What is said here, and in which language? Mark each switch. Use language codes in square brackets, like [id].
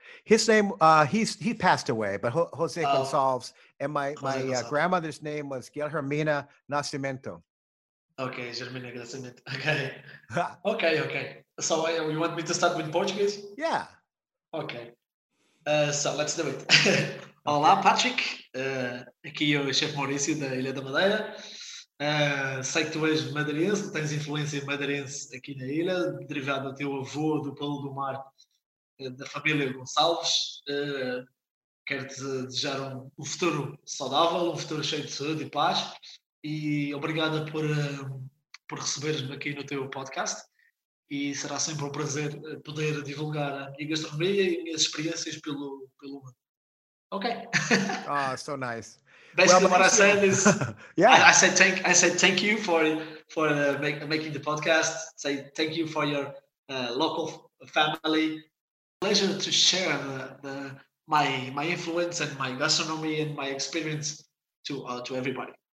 [en] His name, he passed away, but Jose Gonçalves. And my grandmother's name was Guilhermina Nascimento. Okay, Guilhermina Nascimento. Okay. Okay. So you want me to start with Portuguese? Yeah. Okay. So let's do it. [pt] Olá, Patrick. Aqui é o chefe Maurício da Ilha da Madeira. Sei que tu és madeirense, tens influência madeirense aqui na ilha, derivado do teu avô do Paulo do Mar, da família Gonçalves. Quero-te desejar um futuro saudável, um futuro cheio de saúde e paz. E obrigada por receberes-me aqui no teu podcast. E será sempre um prazer poder divulgar a minha gastronomia e as minhas experiências pelo mundo. [en] Ok. Ah, oh, so nice. Basically, well, what I said is, yeah. I said thank you for making the podcast. Say thank you for your local family. Pleasure to share my influence and my gastronomy and my experience to everybody.